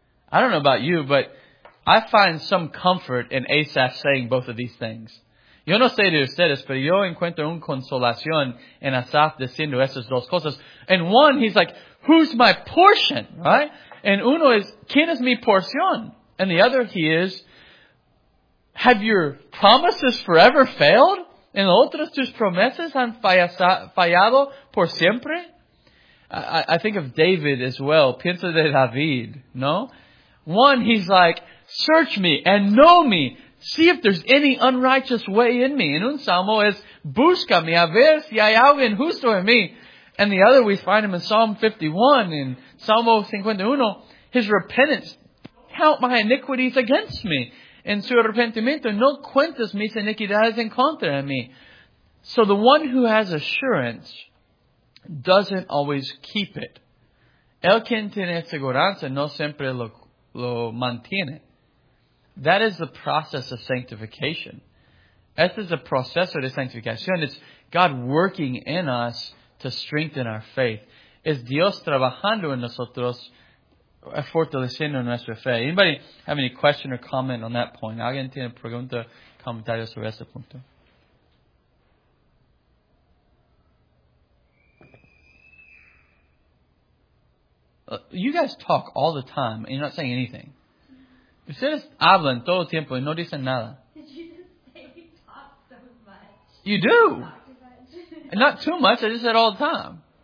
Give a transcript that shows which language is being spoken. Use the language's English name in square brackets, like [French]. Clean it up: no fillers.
[English] I don't know about you, but I find some comfort in Asaph saying both of these things. [Spanish] Yo no sé de ustedes, pero yo encuentro una consolación en Asaph diciendo esas dos cosas. [English] And one, he's like, who's my portion? Right? And uno is, [Spanish] ¿quién es mi porción? [English] And the other, he is, have your promises forever failed? [Spanish] ¿En otras tus promesas han fallado por siempre? [English] I think of David as well. [Spanish] Pienso de David, ¿no? [English] One, he's like, search me and know me. See if there's any unrighteous way in me. [Spanish] En un salmo es, búscame a ver si hay algo injusto en mí. [English] And the other, we find him in Psalm 51, in Salmo 51, his repentance, count my iniquities against me. [Spanish] En su arrepentimiento, no cuentes mis iniquidades en contra de mí. [English] So the one who has assurance doesn't always keep it. [Spanish] El quien tiene seguridad no siempre lo mantiene. [English] That is the process of sanctification. [Spanish] Este es el proceso de sanctificación. [English] It's God working in us to strengthen our faith. [Spanish] Es Dios trabajando en nosotros, fortaleciendo nuestra fe. [English] Anybody have any question or comment on that point? [Spanish] ¿Alguien tiene pregunta o comentario sobre ese punto? [English] You guys talk all the time and you're not saying anything. [Spanish] Ustedes hablan todo el tiempo y no dicen nada. [English] Did you just say you talk so much? You do. Not too much, I just said all the time.